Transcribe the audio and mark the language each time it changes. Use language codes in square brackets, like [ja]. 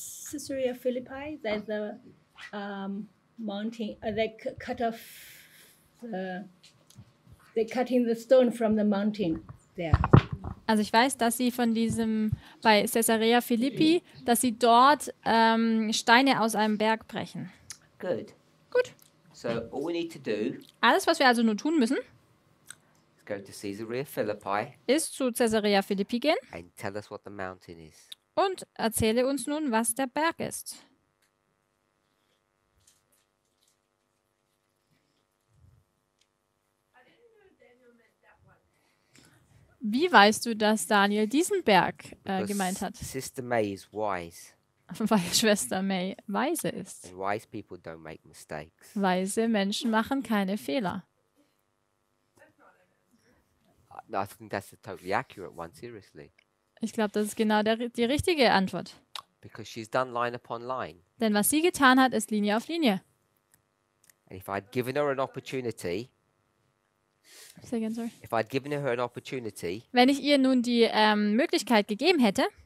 [en] Caesarea Philippi, there's a mountain, they cut the stone from the mountain there. [de] Also ich weiß, dass sie von diesem, bei Caesarea Philippi, dass sie dort Steine aus einem Berg brechen. [en] Good. [de] Gut. [en] So all we need to do, [de] alles, was wir also nur tun müssen, [en] go to Caesarea Philippi, [de] ist zu Caesarea Philippi gehen [en] and tell us what the mountain is. [de] Und erzähle uns nun, was der Berg ist. Wie weißt du, dass Daniel diesen Berg gemeint hat? [en] Sister May is wise. [de] Weil Schwester May weise ist. [en] And wise people don't make mistakes. [de] Weise Menschen machen keine Fehler. [en] No, I think that's a totally accurate one, seriously. [de] Ich glaube, das ist genau die richtige Antwort. [en] Because she's done line upon line. [de] Denn was sie getan hat, ist Linie auf Linie. [en] And if I'd given her an opportunity, if I'd given her an opportunity, [de] wenn ich ihr nun die Möglichkeit gegeben hätte,